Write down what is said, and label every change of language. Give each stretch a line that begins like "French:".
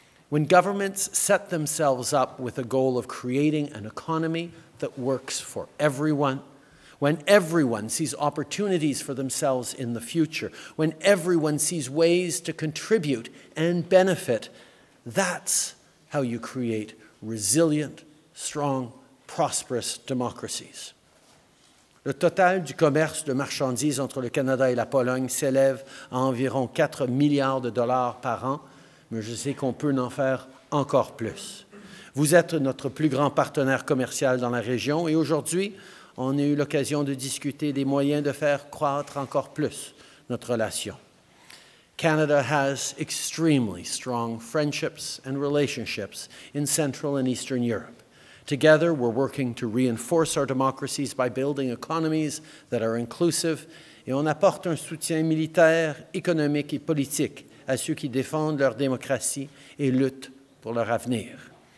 English: When governments set themselves up with a goal of creating an economy that works for everyone, when everyone sees opportunities for themselves in the future, when everyone sees ways to contribute and benefit, that's how you create resilient, strong, prosperous democracies.
French: Le total du commerce de marchandises entre le Canada et la Pologne s'élève à environ 4 milliards de dollars par an, mais je sais qu'on peut en faire encore plus. Vous êtes notre plus grand partenaire commercial dans la région et aujourd'hui, on a eu l'occasion de discuter des moyens de faire croître encore plus notre relation.
English: Canada has extremely strong friendships and relationships in Central and Eastern Europe. Together, we're working to reinforce our democracies by building economies that are inclusive,
French: et on apporte un soutien militaire, économique et politique à ceux qui défendent leur démocratie et luttent pour leur avenir.